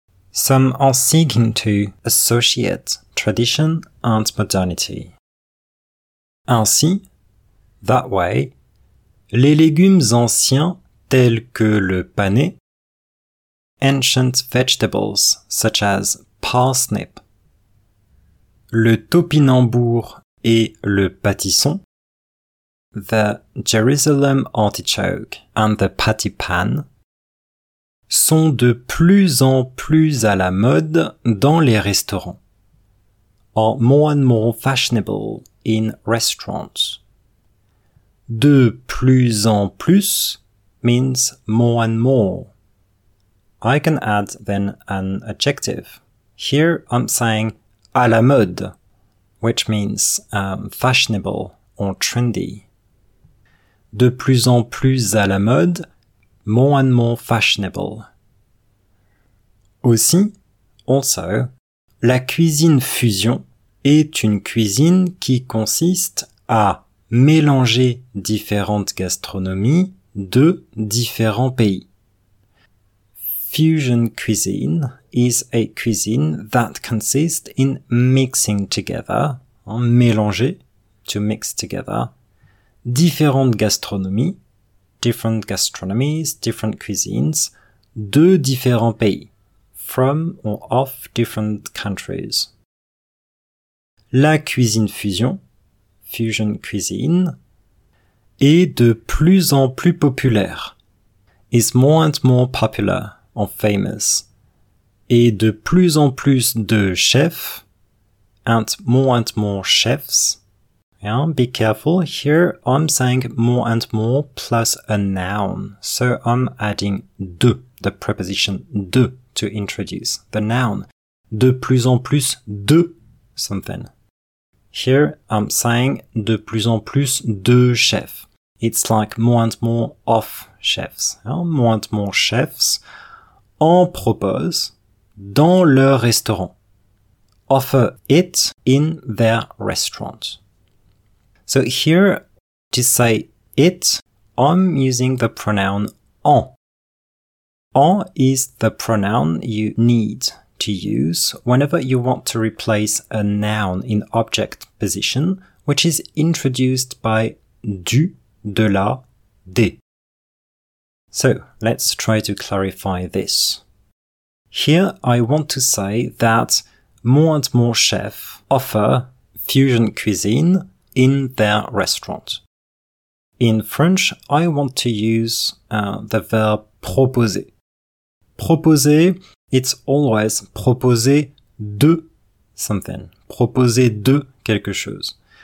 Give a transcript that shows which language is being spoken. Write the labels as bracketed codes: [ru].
[en] Some are seeking to associate tradition and modernity. [fr] Ainsi, [en] that way, [fr] les légumes anciens tels que le panais, [en] ancient vegetables such as parsnip, [fr] le topinambour et le pâtisson, [en] the Jerusalem artichoke and the patty pan, [fr] sont de plus en plus à la mode dans les restaurants, [en] are more and more fashionable in restaurants. [fr] De plus en plus [en] means more and more. I can add then an adjective. Here I'm saying [fr] à la mode, [en] which means fashionable or trendy. [fr] De plus en plus à la mode, [en] more and more fashionable. [fr] Aussi, [en] also, [fr] la cuisine fusion est une cuisine qui consiste à mélanger différentes gastronomies de différents pays. [en] Fusion cuisine is a cuisine that consists in mixing together, [fr] mélanger, [en] to mix together, [fr] différentes gastronomies, [en] different gastronomies, different cuisines, [fr] de différents pays, [en] from or of different countries. [fr] La cuisine fusion, [en] fusion cuisine, [fr] est de plus en plus populaire, [en] is more and more popular or famous, [fr] et de plus en plus de chefs, [en] and more chefs. Yeah, be careful, here I'm saying more and more plus a noun, so I'm adding de, the preposition de, to introduce the noun. [fr] De plus en plus de something. [en] Here I'm saying [fr] de plus en plus de chefs. [en] It's like more and more of chefs. More and more chefs [fr] en proposent dans leur restaurant. [en] Offer it in their restaurant. So here, to say it, I'm using the pronoun en. En is the pronoun you need to use whenever you want to replace a noun in object position, which is introduced by du, de la, des. So, let's try to clarify this. Here, I want to say that more and more chefs offer fusion cuisine in their restaurant. In French, I want to use the verb proposer. Proposer, it's always [fr] proposer de [en] something. [fr] Proposer de quelque chose.